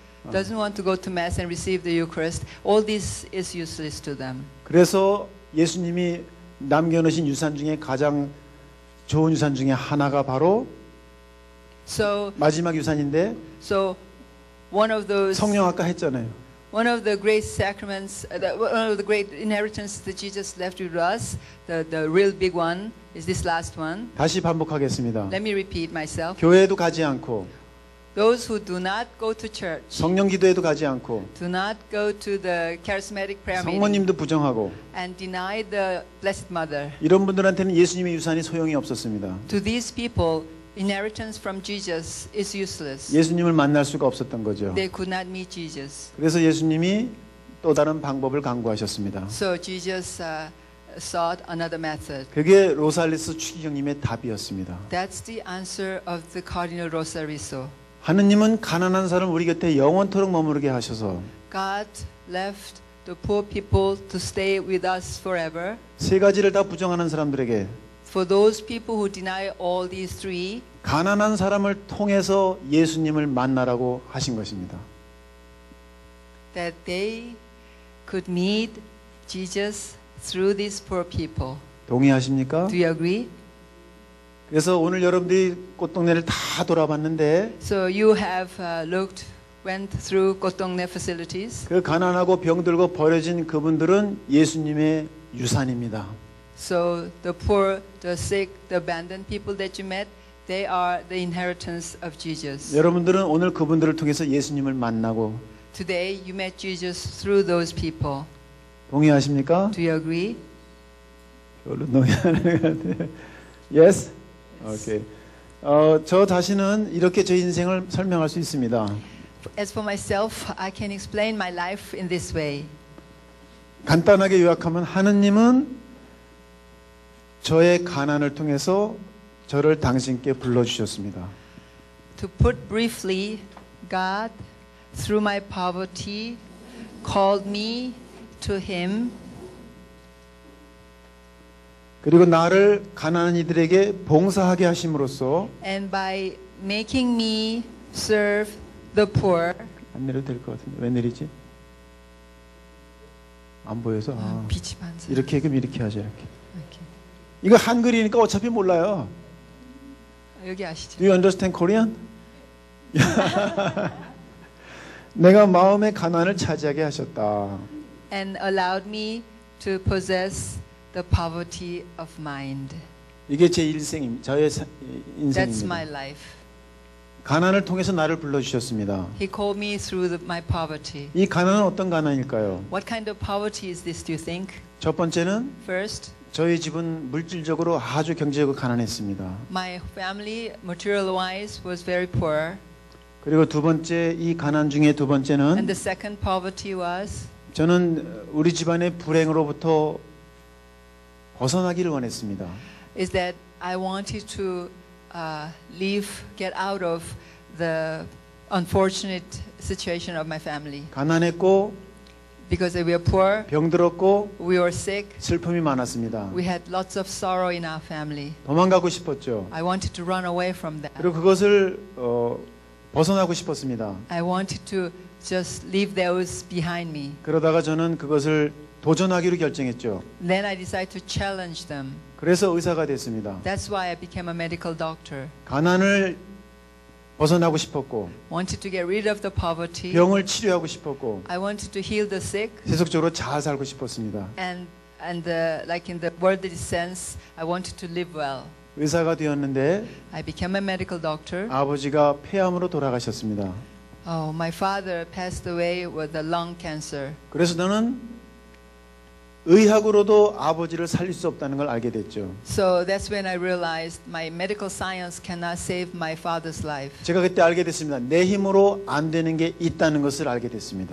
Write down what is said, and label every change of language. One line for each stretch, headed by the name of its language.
English: doesn't want to go to mass and receive the Eucharist, all this is useless to them.
Korean: 그래서 예수님이 남겨놓으신 유산 중에 가장 좋은 유산 중에 하나가 바로 마지막 유산인데
English: so one of those
Korean: 성령 아까 했잖아요.
English: One of the great sacraments, one of the great inheritance that Jesus left with us, the real big one is this last one.
Korean: 다시 반복하겠습니다.
English: Let me repeat myself.
Korean: 교회도 가지 않고
English: Those who do not go to church.
Korean: 성령 기도에도 가지 않고
English: Do not go to the charismatic prayer meeting.
Korean: 성모님도 부정하고
English: And deny the blessed mother.
Korean: 이런 분들한테는 예수님의 유산이 소용이 없었습니다.
English: To these people, inheritance from Jesus is useless.
Korean: 예수님을 만날 수가 없었던 거죠.
English: They could not meet Jesus.
Korean: 그래서 예수님이 또 다른 방법을 강구하셨습니다.
English: So Jesus sought another method.
Korean: 그게 로살리스 추기경님의 답이었습니다.
English: That's the answer of the Cardinal Rosariso.
Korean: 하느님은 가난한 사람 우리 곁에 영원토록 머무르게 하셔서
English: God left the poor people to stay with us forever.
Korean: 세 가지를 다 부정하는 사람들에게
English: For those people who deny all these three,
Korean: 가난한 사람을 통해서 예수님을 만나라고 하신 것입니다.
English: That they could meet Jesus through these poor people.
Korean: 동의하십니까?
English: Do you agree?
Korean: 그래서 오늘 여러분들이 꽃동네를 다 돌아봤는데
English: So you have looked went through 꽃동네 facilities.
Korean: 그 가난하고 병들고 버려진 그분들은 예수님의 유산입니다.
English: So the poor, the sick, the abandoned people that you met, they are the inheritance of Jesus.
Korean: 여러분들은 오늘 그분들을 통해서 예수님을 만나고
English: Today you met Jesus through those people.
Korean: 동의하십니까?
English: Do you agree?
Korean: 별로 동의하는 것 같아요.
English: Yes. 오케이. Okay.
Korean: 저 자신은 이렇게 제 인생을 설명할 수 있습니다.
English: As for myself, I can explain my life in this way.
Korean: 간단하게 요약하면 하느님은 저의 가난을 통해서 저를 당신께 불러 주셨습니다.
English: To put briefly, God through my poverty called me to him.
Korean: 그리고 나를 가난한 이들에게 봉사하게 하심으로써
English: and by making me serve the poor.
Korean: 안 내려도 될 것 같은데 왜 내리지? 안 보여서 아, 빛이 반사. 이렇게 그럼 이렇게 하죠 이렇게. 이렇게. 이거 한글이니까 어차피 몰라요. 여기 아시죠?
English: Do you understand Korean?
Korean: 내가 마음의 가난을 차지하게 하셨다.
English: And allowed me to possess the poverty of mind.
Korean: 이게 제 일생입니다. 저의 인생입니다.
English: That's my life.
Korean: 가난을 통해서 나를 불러주셨습니다.
English: He called me through my poverty.
Korean: 이 가난은 어떤 가난일까요?
English: What kind of poverty is this, do you think?
Korean: 첫 번째는
English: First,
Korean: 저희 집은 물질적으로 아주 경제적으로 가난했습니다.
English: My family, material-wise, was very poor.
Korean: 그리고 두 번째, 이 가난 중에 두 번째는
English: And the second poverty was,
Korean: 저는 우리 집안의 불행으로부터 벗어나기를 원했습니다.
English: Is that I wanted to leave, get out of the unfortunate situation of my family.
Korean: 가난했고,
English: because we were poor,
Korean: 병들었고,
English: we were sick,
Korean: 슬픔이 많았습니다.
English: We had lots of sorrow in our family.
Korean: 도망가고 싶었죠.
English: I wanted to run away from that.
Korean: 그리고 그것을 벗어나고 싶었습니다.
English: I wanted to just leave those behind me.
Korean: 그러다가 저는 그것을 도전하기로 결정했죠.
English: Then I decided to challenge them.
Korean: 그래서 의사가 됐습니다.
English: That's why I became a medical doctor.
Korean: 가난을 벗어나고 싶었고,
English: wanted to get rid of the poverty.
Korean: 병을 치료하고 싶었고,
English: I wanted to heal the sick.
Korean: 세속적으로 잘 살고 싶었습니다.
English: And the, like in the worldly sense, I wanted to live well.
Korean: 의사가 되었는데,
English: I became a medical doctor.
Korean: 아버지가 폐암으로 돌아가셨습니다.
English: Oh, my father passed away with a lung cancer.
Korean: 그래서 나는 의학으로도 아버지를 살릴 수 없다는 걸 알게 됐죠.
English: So that's when I realized my medical science cannot save my father's life.
Korean: 제가 그때 알게 됐습니다. 내 힘으로 안 되는 게 있다는 것을 알게 됐습니다.